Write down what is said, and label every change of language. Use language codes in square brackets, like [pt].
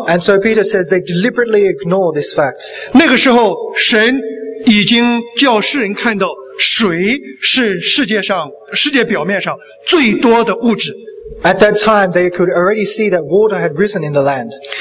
[en] And so Peter says they deliberately ignore this fact. [zh] 那个时候神已经叫世人看到水是世界表面上最多的物质。 [en] At that time, they could already see that water had risen in the land.